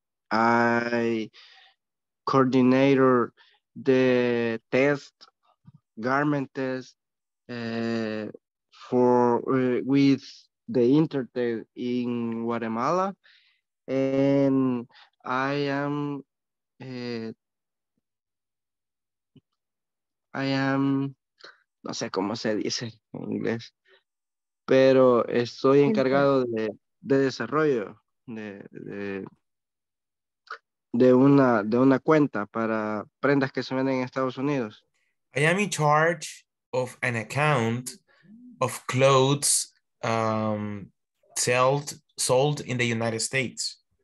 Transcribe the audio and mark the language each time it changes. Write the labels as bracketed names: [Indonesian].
[English] I coordinate the garment test, with the Intertel in Guatemala, and I am. I am, [Spanish] no sé cómo se dice en inglés, pero estoy encargado de desarrollo de una cuenta para prendas que se venden en Estados Unidos. [English] I am in charge of an account of clothes sold in the United States.